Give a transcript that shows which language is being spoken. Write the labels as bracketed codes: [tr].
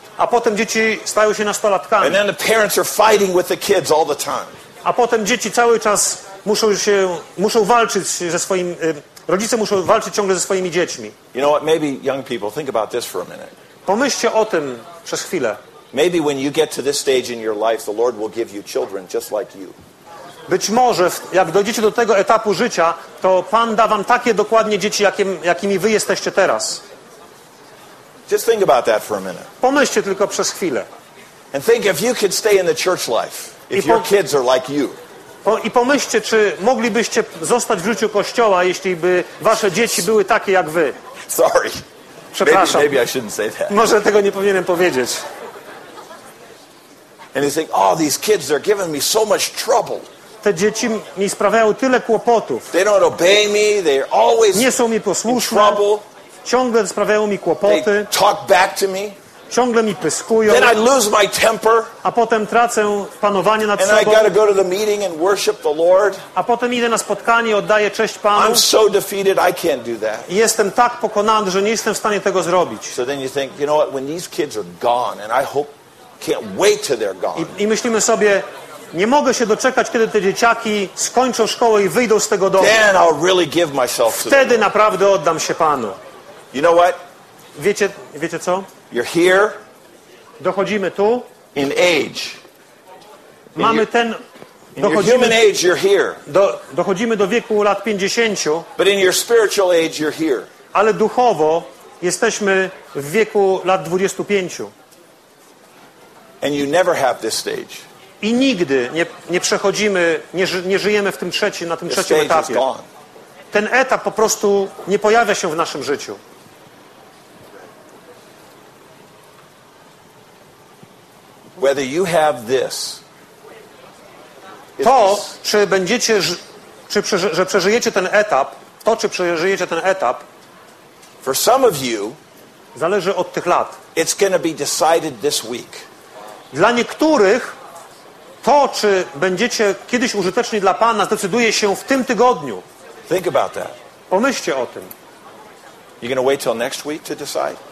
[pl] A potem dzieci stają się nastolatkami. [en] And then the parents are fighting with the kids all the time. [pl] A potem dzieci cały czas muszą walczyć ze swoim rodzice muszą walczyć ciągle ze swoimi dziećmi. [en] You know what, maybe young people think about this for a minute. [pl] Pomyślcie o tym przez chwilę. [en] Maybe when you get to this stage in your life, the Lord will give you children just like you. [pl] Być może, jak dojdziecie do tego etapu życia, to Pan da wam takie dokładnie dzieci, jakimi wy jesteście teraz. [en] Just think about that for a minute. [pl] Pomyślcie tylko przez chwilę. [en] And think if you could stay in the church life, if your kids are like you. [pl] I pomyślcie, czy moglibyście zostać w życiu Kościoła, jeśli by wasze dzieci były takie jak wy. [en] Sorry. [pl] Przepraszam. [en] Maybe I shouldn't say that. [pl] Może tego nie powinienem powiedzieć. [en] And you think, oh, these kids, they're giving me so much trouble. [pl] Te dzieci mi sprawiają tyle kłopotów. [en] They don't obey me. They're always [pl] nie są mi posłuszne. Ciągle sprawiają mi kłopoty. [en] They talk back to me. [pl] Ciągle mi pyskują. [en] Then I lose my temper. [pl] A potem tracę panowanie nad [en] and [pl] sobą. [en] I gotta go to the meeting and worship the Lord. [pl] A potem idę na spotkanie i oddaję cześć Panu. [en] I'm so defeated, I can't do that. [pl] I jestem tak pokonany, że nie jestem w stanie tego zrobić. [en] So then you think, you know what, when these kids are gone, and I hope, can't wait till they're gone. [pl] I myślimy sobie, nie mogę się doczekać, kiedy te dzieciaki skończą szkołę i wyjdą z tego domu. [en] Then I'll really give myself to [pl] wtedy [en] them. [pl] Naprawdę oddam się Panu. [en] You know what? [pl] Wiecie co? [en] You're here. [pl] Dochodzimy tu. [en] In age. [pl] Mamy ten. Dochodzimy, [en] in your human age, you're here. [pl] Dochodzimy do wieku lat 50. [en] But in your spiritual age, you're here. [pl] Ale duchowo jesteśmy w wieku lat 25. [en] And you never have this stage. [pl] I nigdy nie przechodzimy, nie żyjemy w tym trzecim, na tym [en] the [pl] trzecim etapie. [en] Stage is gone. [pl] Ten etap po prostu nie pojawia się w naszym życiu. [en] Whether you have this, [pl] to, czy będziecie, że przeżyjecie ten etap, to, czy przeżyjecie ten etap, [en] for some of you, [pl] zależy od tych lat. [en] It's gonna be decided this week. [pl] Dla niektórych to, czy będziecie kiedyś użyteczni dla Pana, zdecyduje się w tym tygodniu. [en] Think about that. [pl] Pomyślcie o tym. [en] You're gonna wait till next week to decide?